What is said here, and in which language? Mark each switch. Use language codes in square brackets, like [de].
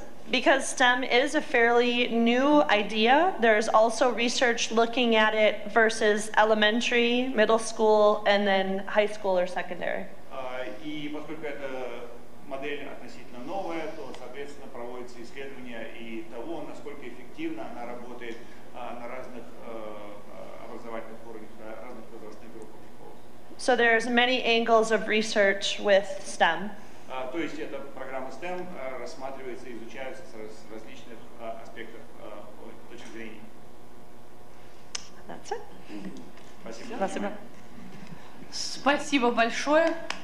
[en] Because STEM is a fairly new idea, there's also research looking at it versus elementary, middle school, and then high school or secondary. [ru] И поскольку эта модель относительно новая, то, соответственно, проводятся исследования и того, насколько эффективно она работает на разных образовательных уровнях, разных возрастных группах школ. [en] So there's many angles of research with STEM. [ru] То есть эта программа STEM рассматривается и изучается с различных аспектов точек зрения. [en] That's it. [ru] Спасибо. Спасибо. Спасибо большое.